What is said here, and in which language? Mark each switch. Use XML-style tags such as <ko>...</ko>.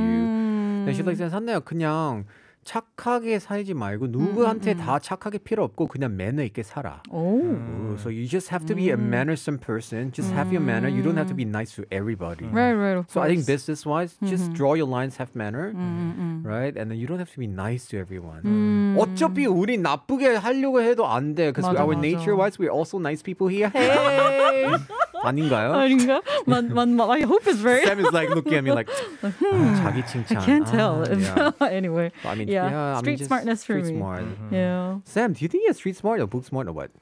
<ko>And she's like, 선대야, 그냥 착하게 살지 말고 누구한테 다 착하게 필요 없고 그냥 매너 있게 살아.</ko> <en>So you just have to be a mannersome person. Just have your manner. You don't have to be nice to everybody. Right, of course. So I think business-wise, just draw your lines, have manner. Right? And then you don't have to be nice to everyone.</en> <ko>어차피 우리 나쁘게 하려고 해도 안 돼.</ko> <en>Because our nature-wise, we're also nice people here. Hey!</en> <ko>아닌가요? 아닌가?</ko> <en>My hope is right. Sam is like looking at me like,</en> <ko>자기 칭찬.</ko> <en>I can't tell. Anyway. I mean, street smartness for me. Street smart. Mm-hmm. Yeah. Sam, do you think you're street smart or book smart or what?</en>